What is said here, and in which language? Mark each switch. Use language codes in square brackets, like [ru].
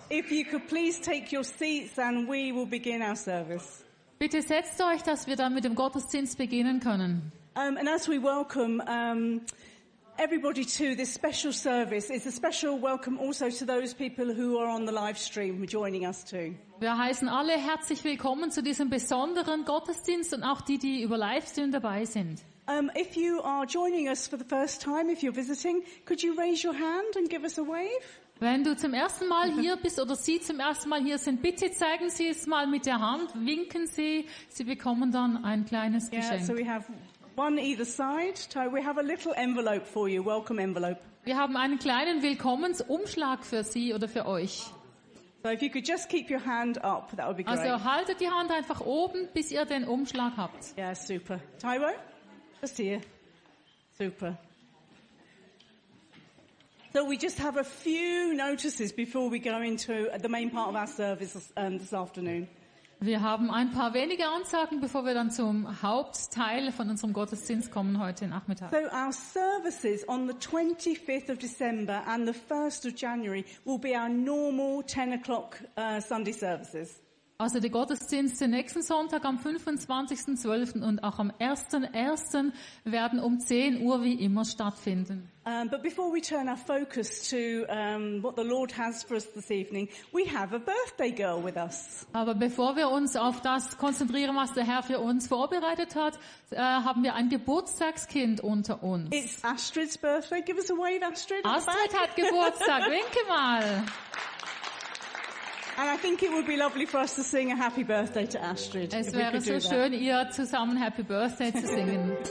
[en] If you could please take your seats and we will begin our service. [de] Bitte setzt euch, dass wir dann mit dem Gottesdienst beginnen können. [en] And as we welcome everybody to this special service, it's a special welcome also to those people who are on the live stream joining us too. [de] Wir heißen alle herzlich willkommen zu diesem besonderen Gottesdienst und auch die, die über Livestream dabei sind. [en] If you are joining us for the first time, if you're visiting, could you raise your hand and give us a wave? [de] Wenn du zum ersten Mal hier bist oder Sie zum ersten Mal hier sind, bitte zeigen Sie es mal mit der Hand, winken Sie. Sie bekommen dann ein kleines Geschenk. [en] Yeah, so we have one either side. We have a little envelope for you. Welcome envelope. [de] Wir haben einen kleinen Willkommensumschlag für Sie oder für euch. [en] So if you could just keep your hand up, that would be great. [de] Also haltet die Hand einfach oben, bis ihr den Umschlag habt. [en] Yeah, super. Taiwo? Just here. Super. So we just have a few notices before we go into the main part of our service this afternoon. [de] Wir haben ein paar wenige Ansagen, bevor wir dann zum Hauptteil von unserem Gottesdienst kommen heute Nachmittag. [en] So our services on the 25th of December and the 1st of January will be our normal 10 o'clock Sunday services. [de] Also der Gottesdienst den nächsten Sonntag am 25.12. und auch am 1.1. werden um 10 Uhr wie immer stattfinden. [en] But before we turn our focus to what the Lord has for us this evening, we have a birthday girl with us. [de] Aber bevor wir uns auf das konzentrieren, was der Herr für uns vorbereitet hat, haben wir ein Geburtstagskind unter uns. [en] It's Astrid's birthday. Give us a wave, Astrid. [de] Astrid hat Geburtstag. Winke mal. [en] And I think it would be lovely for us to sing a happy birthday to Astrid. [de] Es wäre so schön, ihr zusammen happy birthday zu singen.